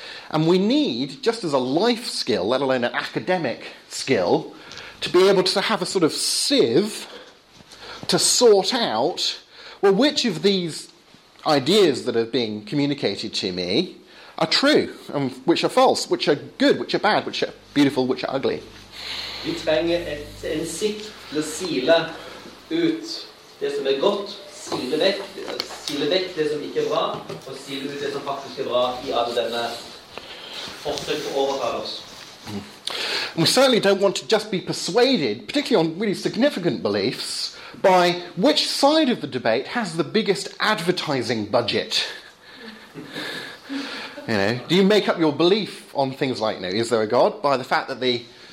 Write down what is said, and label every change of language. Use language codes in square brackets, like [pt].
[en] And we need, just as a life skill, let alone an academic skill, to be able to have a sort of sieve to sort out, well, which of these ideas that are being communicated to me are true, and which are false, which are good, which are bad, which are beautiful, which are ugly. [sv] Vi tränger en sikt eller sila ut det som är gott, sila väck det som inte är bra och sila ut det som faktiskt är bra I all denna försök att övertala oss. [en] And we certainly don't want to just be persuaded, particularly on really significant beliefs, by which side of the debate has the biggest advertising budget. You know, do you make up your belief on things like, you know, is there a God? By the fact that the